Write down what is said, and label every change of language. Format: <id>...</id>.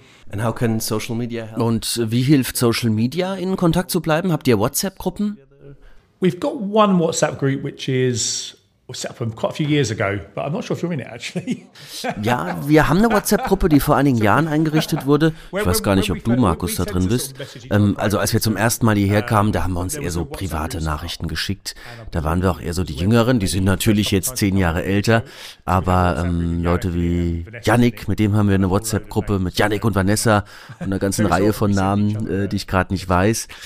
<de>Und wie hilft Social Media, in Kontakt zu bleiben? Habt ihr WhatsApp-Gruppen?</de> <en>We've got one WhatsApp group, which is set up quite a few years ago, but I'm not sure if you're in it actually.</en> <de>Ja, wir haben eine WhatsApp-Gruppe, die vor einigen Jahren eingerichtet wurde. Ich weiß gar nicht, ob du, Markus, da drin bist. Also als wir zum ersten Mal hierher kamen, da haben wir uns eher so private Nachrichten geschickt. Da waren wir auch eher so die Jüngeren, die sind natürlich jetzt 10 Jahre älter, aber Leute wie Yannick, mit dem haben wir eine WhatsApp-Gruppe, mit Yannick und Vanessa und einer ganzen Reihe von Namen, die ich gerade nicht weiß.</de>